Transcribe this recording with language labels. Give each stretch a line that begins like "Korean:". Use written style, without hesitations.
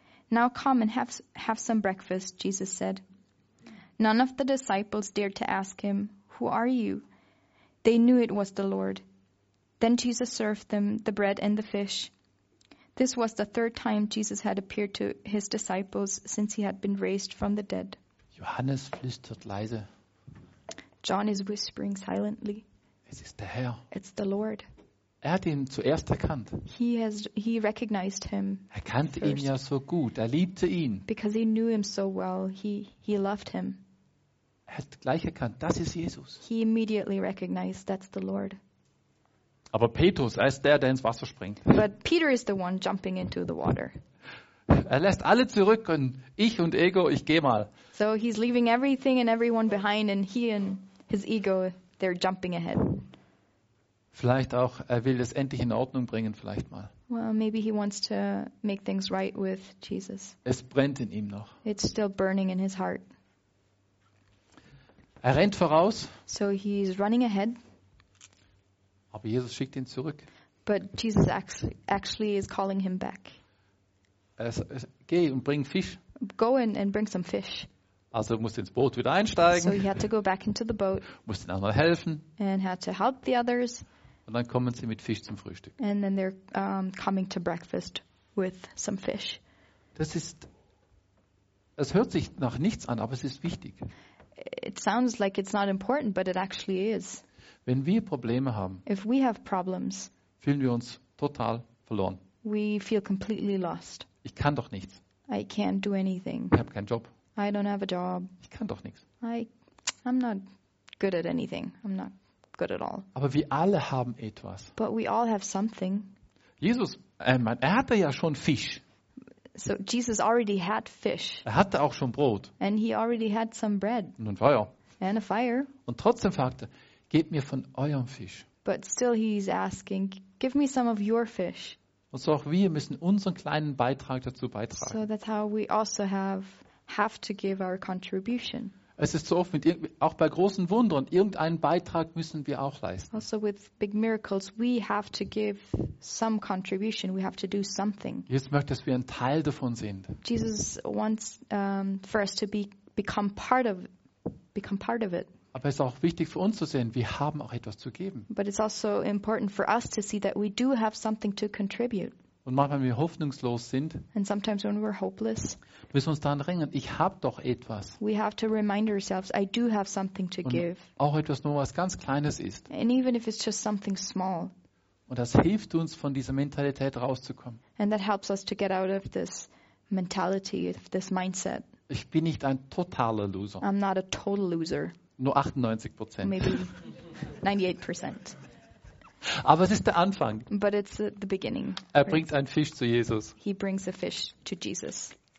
English: "Now come and have some breakfast," Jesus said. None of the disciples dared to ask him, "Who are you?" They knew it was the Lord. Then Jesus served them the bread and the fish. This was the third time Jesus had appeared to his disciples since he had been raised from the dead.
German: Johannes flüstert leise.
English: John is whispering silently.
German: Es ist der Herr.
English: It's the Lord.
German: Er hat ihn zuerst erkannt.
English: He recognized him.
German: Er kannte ihn ja so gut. Er liebte ihn.
English: Because he knew him so well. He loved him.
German: Er hat gleich erkannt, das ist Jesus.
English: He immediately recognized that's the Lord.
German: Aber Petrus, er ist der ins Wasser springt.
English: But Peter is the one jumping into the water.
German: Er lässt alle zurück und ich und Ego, ich gehe mal.
English: So he's leaving everything and everyone behind and he and his ego, they're jumping ahead.
German: Vielleicht auch, er will das endlich in Ordnung bringen, vielleicht mal.
English: Well, maybe he wants to make things right with Jesus.
German: Es brennt in ihm noch.
English: It's still burning in his heart.
German: Er rennt voraus.
English: So he's running ahead.
German: Aber Jesus schickt ihn zurück.
English: But Jesus actually is calling him back.
German: Geh und bring Fisch.
English: Go in and bring some fish.
German: Also musste ins Boot wieder einsteigen.
English: So he had to go back into the boat.
German: Musste den anderen helfen.
English: And had to help the others.
German: Und dann kommen sie mit Fisch zum Frühstück.
English: And then they're coming to breakfast with some fish.
German: Es hört sich nach nichts an, aber es ist wichtig.
English: It sounds like it's not important, but it actually is.
German: Wenn wir Probleme haben,
English: if we have problems,
German: fühlen wir uns total verloren.
English: We feel completely lost.
German: Ich kann doch nichts.
English: I can't do anything.
German: Ich habe keinen Job.
English: I don't have a job.
German: Ich kann doch nichts.
English: I'm not good at anything. I'm not good at all.
German: Aber wir alle haben etwas.
English: But we all have something.
German: Jesus, er hatte ja schon Fisch.
English: So Jesus already had fish.
German: Er hatte auch schon Brot.
English: And he already had some bread.
German: Und ein Feuer.
English: And a fire.
German: Und trotzdem fragte er, gebt mir von eurem Fisch.
English: But still he's asking, give me some of your fish.
German: Und so auch wir müssen unseren kleinen Beitrag dazu beitragen.
English: So that's how we also have to give our contribution.
German: Es ist so oft mit auch bei großen Wundern, irgendeinen Beitrag müssen wir auch leisten.
English: Also with big miracles, we have to give some contribution. We have to do something.
German: Jesus möchte, dass wir ein Teil davon sind.
English: Jesus wants for us to become part of it.
German: Aber es ist auch wichtig für uns zu sehen, wir haben auch etwas zu geben.
English: But it's also important for us to see that we do have something to contribute.
German: Und manchmal, wenn wir hoffnungslos sind,
English: and sometimes when we're hopeless,
German: müssen wir uns daran erinnern, ich habe doch etwas.
English: We have to remind ourselves, I do have something to give.
German: Auch etwas nur, was ganz Kleines ist.
English: And even if it's just something small.
German: Und das hilft uns, von dieser Mentalität rauszukommen.
English: And that helps us to get out of this mentality, of this mindset.
German: Ich bin nicht ein totaler Loser.
English: I'm not a total loser.
German: Nur 98%.
English: Maybe 98%.
German: Aber es ist der Anfang.
English: But it's the beginning.
German: Er bringt einen Fisch zu Jesus.
English: He brings a fish to Jesus.